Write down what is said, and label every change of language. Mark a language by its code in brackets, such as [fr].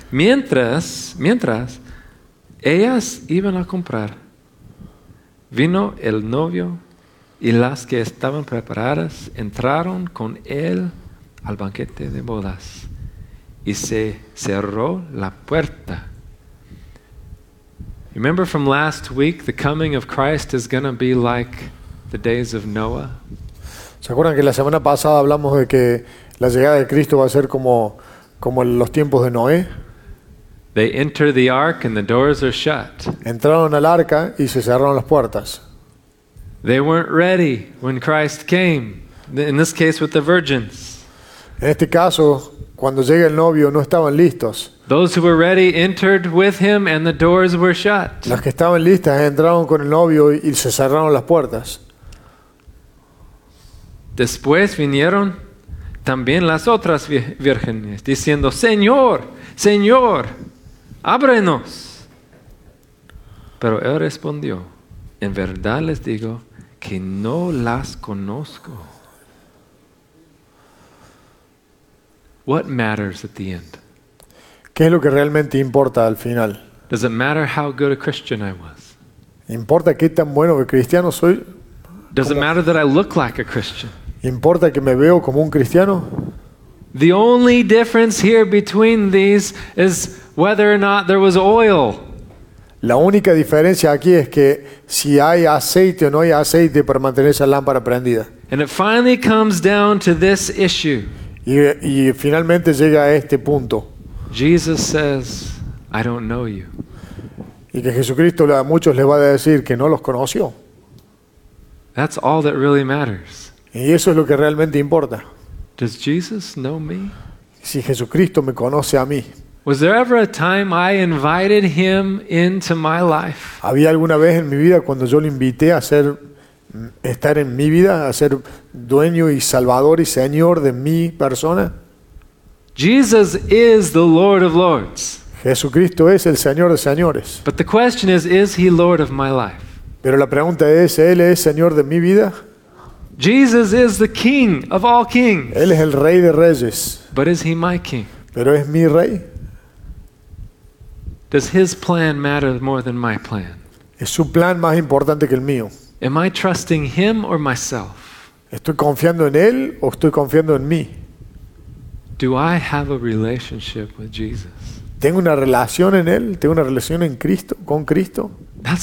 [es] Mientras ellas iban a comprar, vino el novio y las que estaban preparadas entraron con él al banquete de bodas y se cerró la puerta. [en] Remember from last week, the coming of Christ is going to be like the days of Noah. [es] ¿Se acuerdan que la semana pasada hablamos de que la llegada de Cristo va a ser como los tiempos de Noé? [en] They enter the ark and the doors are shut. [es] Entraron al arca y se cerraron las puertas. [en] They weren't ready when Christ came. In this case with the virgins. [es] En este caso, cuando llega el novio, no estaban listos. [en] Those who were ready entered with him and the doors were shut. [es] Los que estaban listas entraron con el novio y se cerraron las puertas. Después vinieron también las otras vírgenes diciendo, Señor, Señor, ábrenos. Pero él respondió, en verdad les digo que no las conozco. [en] What matters at the end? [es] ¿Qué es lo que realmente importa al final? [en] Does it matter how good a Christian I was? [es] ¿Importa qué tan bueno de cristiano soy? [en] Does it matter that I look like a Christian? [es] ¿Importa que me veo como un cristiano? [en] The only difference here between these is whether or not there was oil. [es] La única diferencia aquí es que si hay aceite o no hay aceite para mantener esa lámpara prendida. [en] And it finally comes down to this issue. [es] Y finalmente llega a este punto. [en] Jesus says, I don't know you. [es] Y que Jesucristo a muchos les va a decir que no los conoció. [en] That's all that really matters. [es] Y eso es lo que realmente importa. [en] Does Jesus know me? [es] Si Jesucristo me conoce a mí. [en] Was there ever a time I invited him into my life? [es] ¿Había alguna vez en mi vida cuando yo lo invité a ser estar en mi vida, a ser dueño y salvador y señor de mi persona? [en] Jesus is the Lord of Lords. [es] Jesucristo es el Señor de señores. [en] But the question is he Lord of my life? [es] Pero la pregunta es, ¿él es señor de mi vida? [en] Jesus is the King of all kings. [es] Él es el Rey de Reyes. [en] But is he my King? [es] ¿Pero es mi Rey? [en] Does his plan matter more than my plan? [es] ¿Es su plan más importante que el mío? [en] Am I trusting him or myself? [es] ¿Estoy confiando en él o estoy confiando en mí? [en] Do I have a relationship with Jesus? [es] ¿Tengo una relación en él? ¿Tengo una relación en Cristo, con Cristo? [en] That's